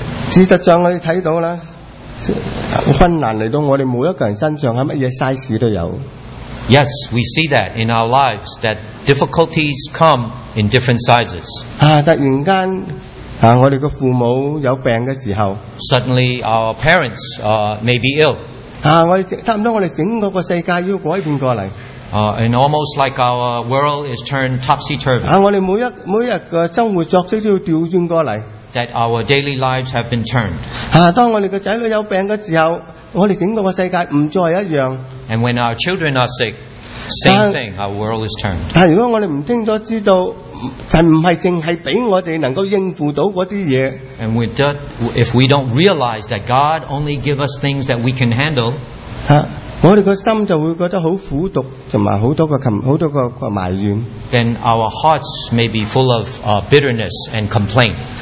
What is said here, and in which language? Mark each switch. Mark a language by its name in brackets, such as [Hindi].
[Chinese] 事实上我们看到困难来到我们每一个人身上是什么事都有。 [English] Yes, we see that in our lives, that difficulties come in different sizes. [Chinese] 突然间我们的父母有病的时候, [English] suddenly our parents may be ill. [Chinese] 差不多我们整个世界要改变过来。 [English] And almost like our world is turned topsy-turvy. [Chinese] 我们每一个生活作息都要调转过来。 [English] That our daily lives have been turned. [Chinese] 当我们的子女有病的时候, 我们整个世界不再一样。 [English] And when our children are sick, same thing, our world is turned. And if we don't realize that God only gives us things that we can handle, then our hearts may be full of bitterness and complaint.